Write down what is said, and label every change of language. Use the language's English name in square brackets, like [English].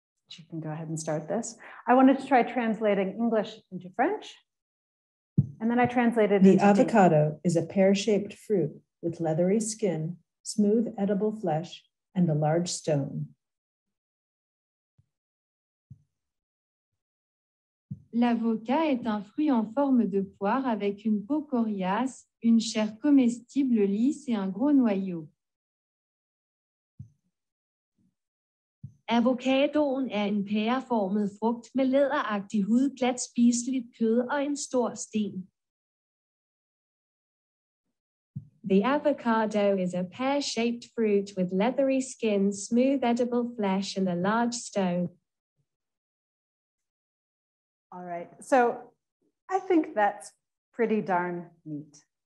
[English] You can go ahead and start this. I wanted to try translating English into French. And then I translated the avocado is a pear-shaped fruit with leathery skin, smooth edible flesh, and a large stone. [French] L'avocat est un fruit en forme de poire avec une peau coriace, une chair comestible lisse et un gros noyau. [Danish] Avocadoen er en pæreformet frugt med læderagtig hud, glat spiseligt kød og en stor sten. [English] The avocado is a pear-shaped fruit with leathery skin, smooth edible flesh, and a large stone. All right, so I think that's pretty darn neat.